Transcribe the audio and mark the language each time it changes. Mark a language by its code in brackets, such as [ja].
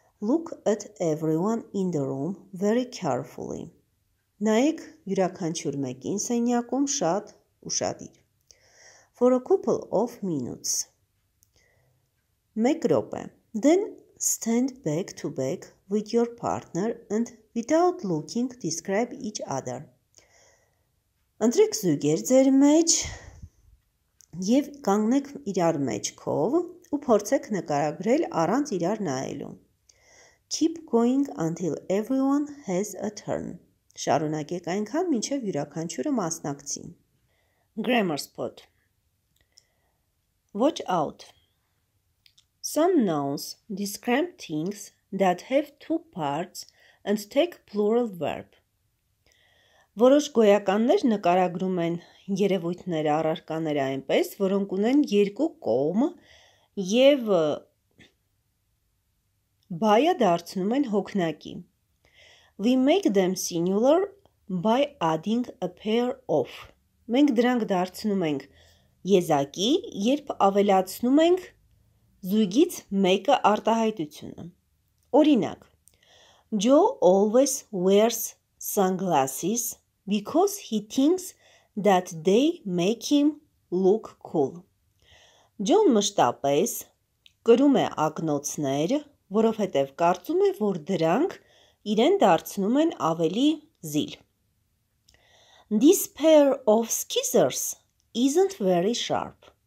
[en] Look at everyone in the room very carefully. [hy] Նայեք յուրաքանչյուր մեկին սենյակում շատ ուշադիր. [en] For a couple of minutes. [hy] Մեկ րոպե. [en] Then stand back to back with your partner and without looking describe each other. [hy] Ընտրեք զույգեր ձեր մեջ և կանգնեք իրար մեջքով ու փորձեք նկարագրել առանց իրար նայելու. [en] Keep going until everyone has a turn. [hy] Շարունակեք այնքան, մինչև յուրաքանչյուրը մասնակցի. [en] Grammar spot. Watch out. Some nouns describe things that have two parts and take plural verb. [hy] Որոշ գոյականներ նկարագրում են երևույթները առարկաները այնպես, որոնք ունեն երկու կողմ և բայը դարձնում են հոգնակի. [en] We make them singular by adding a pair of. [hy] Մենք դրանք դարձնում ենք եզակի, երբ ավելացնում ենք զույգից մեկը արտահայտությունը. [en] Օրինակ, Joe always wears sunglasses because he thinks that they make him look cool. [hy] John մշտապես կրում է ակնոցներ, որովհետև կարծում է, որ դրանք իրեն դարձնում են ավելի զիլ. [en] This pair of scissors isn't very sharp.